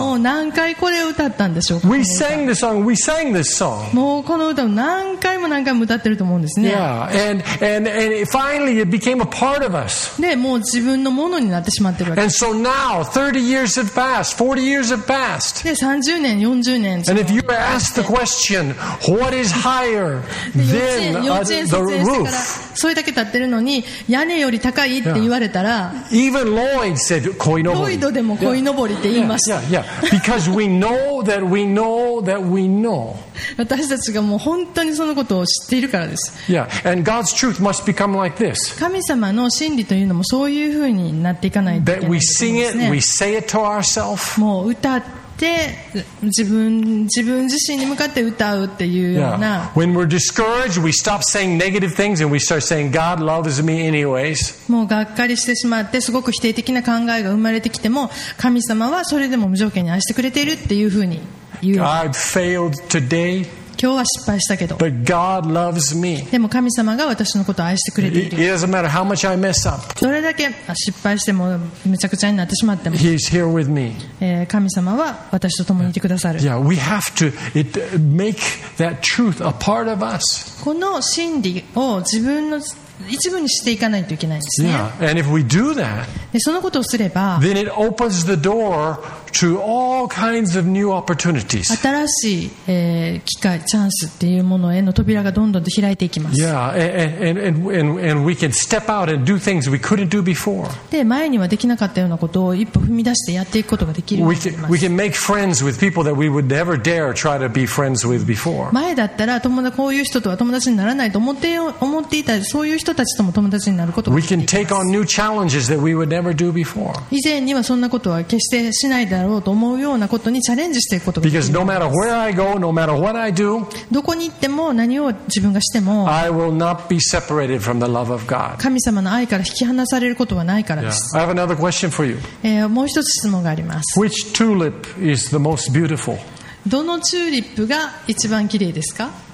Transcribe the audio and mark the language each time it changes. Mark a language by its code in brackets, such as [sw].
[ja] もう何回これを歌ったんでしょうか。 [en] We sang this song. We sang this song. [ja] もうこの歌を何回も何回も歌ってると思うんですね。 [en] Yeah, and finally it became a part of us. [ja] で、もう自分のものになってしまってるわけ。 [en] And so now, 30 years have passed. 40 years have passed. [ja] で、30年、40年。 [en] And if you ask the question, what is higher? [ja] Then, 幼稚園卒園してからそれだけ立ってるのに屋根より高いって言われたら、 [en] Even Lloyd said, [ja] ロイドでも鯉のぼりって言いました。 [en] Yeah, yeah, yeah. Because we know that we know that we know. [ja] 私たちがもう本当にそのことを知っているからです。 [en] Yeah, and God's truth must become like this. [ja] 神様の真理というのもそういうふうになっていかないといけないですね。 [en] That we sing it, we say it to ourselves. [ja] もう歌って。で自分自身に向かって歌うっていうような、 [en] yeah. When we're discouraged, we stop saying negative things and we start saying God loves me anyways. [ja] もうがっかりしてしまってすごく否定的な考えが生まれてきても神様はそれでも無条件に愛してくれているっていうふうに言う。 [en] I've failed today. [ja] 今日は失敗したけど [en] But God loves me. [ja] でも神様が私のことを愛してくれている。 [en] It doesn't matter how much I mess up. [ja] どれだけ失敗してもめちゃくちゃになってしまっても [en] He's here with me. [ja] 神様は私と共にいてくださる。 [en] Yeah, we have to make that truth a part of us. [ja] この真理を自分の一部にしていかないといけないんですね。 [en] Yeah, and if we do that, [ja] でそのことをすれば [en] then it opens the door to all kinds of new opportunities. [ja] 新しい、機会、チャンスっていうものへの扉がどんどんと開いていきます。 [en] Yeah, and we can step out and do things we couldn't do before. [ja] で前にはできなかったようなことを一歩踏み出してやっていくことができるようになります。 [en] We can make friends with people that we would never dare try to be friends with before. [ja] 前だったら友達こういう人とは友達にならないと思っていたそういう人たちとも友達になることができます。 [en] We can take on new challenges that we would never do before. [ja] 以前にはそんなことは決してしないだろうと思うようなことにチャレンジしていくことができます。 [en] Because no matter where I go, no matter what I do, [ja] どこに行っても何を自分がしても [en] I will not be separated from the love of God. [ja] 神様の愛から引き離されることはないからです。 [en] Yeah. I have another question for you. [ja] もう一つ質問があります。 [en] Which tulip is the most beautiful? [ja] どのチューリップが一番綺麗ですか？